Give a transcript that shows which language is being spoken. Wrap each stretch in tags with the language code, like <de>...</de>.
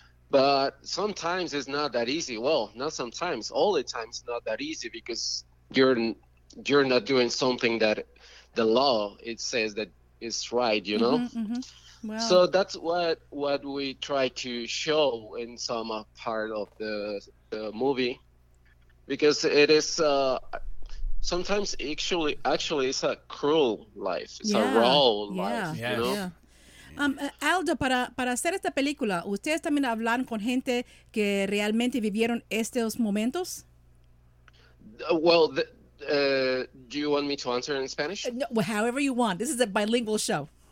<en>But sometimes it's not that easy. Well, not sometimes, all the time it's not that easy, because you're not doing something that the law, it says that it's right, you know? Mm-hmm, mm-hmm. Well, so that's what we try to show in some part of the movie, because it is sometimes actually it's a cruel life. It's yeah, a raw yeah, life, yeah, you know? Yeah.</en> <es>Aldo, para hacer esta película, ¿ustedes también hablan con gente que realmente vivieron estos momentos?</es> <en>Well, do you want me to answer in Spanish? No, well, however you want. This is a bilingual show.</en>